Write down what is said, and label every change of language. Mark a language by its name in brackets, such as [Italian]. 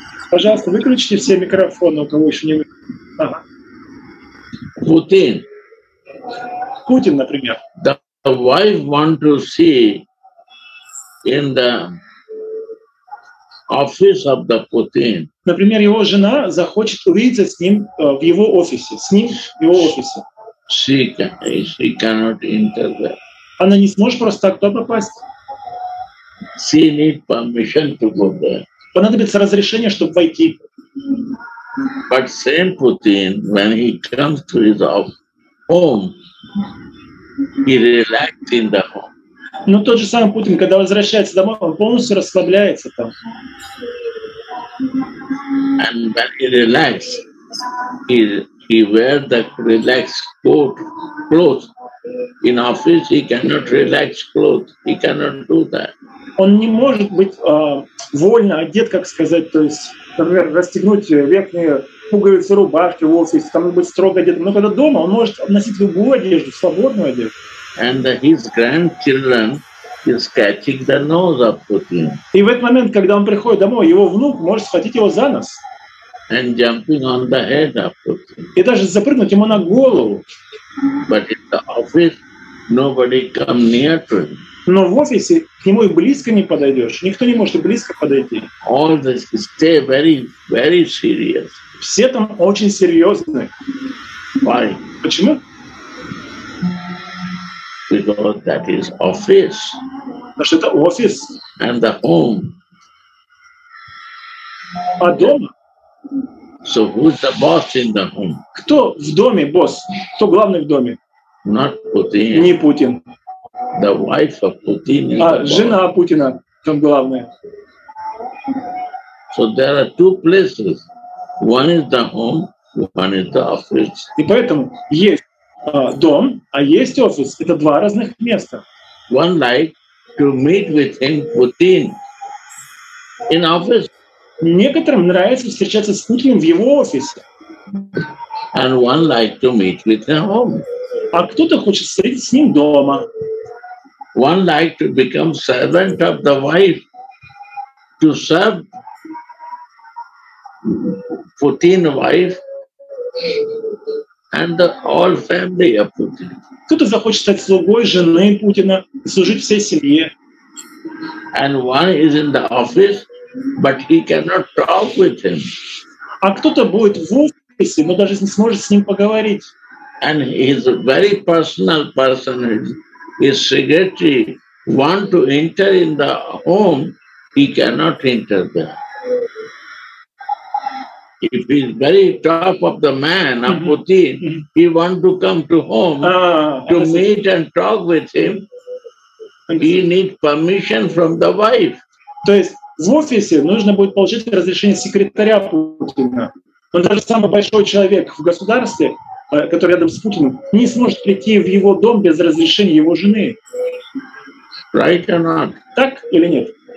[Russian] Пожалуйста, выключите все микрофоны, у кого еще не выключили. Ага. Путин. Путин, например. [English] The wife want to see in the office of the Putin. [Russian] Например, его жена захочет увидеться с ним в его офисе. С ним в его офисе. [English] She cannot enter there. [Russian] Она не сможет просто так туда попасть. [English] She need permission to go there. [Russian] Понадобится разрешение, чтобы войти. [English] But same Putin, when he comes to his home, he relaxed in the home. [Russian] Но тот же самый Путин, когда возвращается домой, он полностью расслабляется там. [English] And when he relaxed, he wear the relaxed coat, clothes. In office he cannot relax clothes. He cannot do that. [Russian] Он не может быть вольно одет, как сказать, то есть, например, расстегнуть верхние пуговицы рубашки в офисе, там быть строго одетым. Но когда дома, он может носить любую одежду, свободную одежду. [English] And his grandchildren is catching the nose of Putin. [Russian] И в этот момент, когда он приходит домой, его внук может схватить его за нос. [English] And jumping on the head of Putin. [Russian] И даже запрыгнуть ему на голову. [English] But in the office, nobody come near to him. [Russian] Но в офисе к нему и близко не подойдешь. Никто не может и близко подойти. [English] All this stay very, very serious. [Russian] Все там очень серьезны. [English] Why? [Russian] Почему? [English] Because that is office. [Russian] Потому что это офис. [English] And the home. [Russian] А дома? [English] So who's the boss in the home? [Russian] Кто в доме босс? Кто главный в доме? [English] Not Putin. [Russian] Не Путин. [English] The wife of Putin. [Russian] А жена Путина там главная. [English] So there are two places. One is the home, one is the office. [Russian] И поэтому есть дом, а есть офис. Это два разных места. [English] One like to meet with him, Putin, in office. [Russian] Некоторым нравится встречаться с Путиным в его офисе. [English] And one like to meet with him home. [Russian] А кто-то хочет встретиться с ним дома. [English] One like to become servant of the wife to serve Putin's wife and the whole family of Putin. [Russian] Кто-то захочет стать слугой жены Путина и служить всей семье. [English] And one is in the office, but he cannot talk with him. [Russian] А кто-то будет в офисе, но даже не сможет с ним поговорить. [English] And he's a very personal person. His secretary want to enter in the home, he cannot enter there. If he's very top of the man, mm-hmm. of Putin, mm-hmm. he want to come to home to meet and talk with him, he need permission from the wife. [Russian] То есть в офисе нужно будет получить разрешение секретаря Путина. Но даже самый большой человек в государстве, который рядом с Путиным, не сможет прийти в его дом без разрешения его жены. [English] Right or not? [Russian] Так или нет?